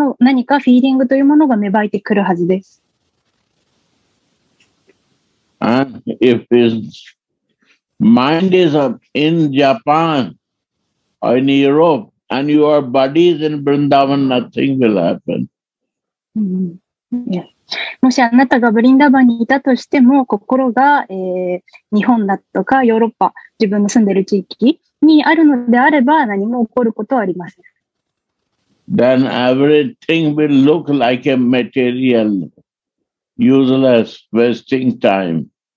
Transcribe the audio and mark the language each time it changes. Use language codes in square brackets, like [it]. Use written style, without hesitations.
[ja] もしあなたがブリンダーバンの地にいて、そしてさらにあなたの心もブリンダーバンに留めるのであれば、フィーリングというもの、何かフィーリングというものが芽生えてくるはずです。 [en] And if his mind is in Japan or in Europe and your body is in Vrindavan, nothing will happen. [ja] もしあなたがブリンダバンにいたとしても、心が日本だとかヨーロッパ、自分の住んでいる地域にあるのであれば、何も起こることはありません。 [en] Then everything will look like a material, useless, wasting time.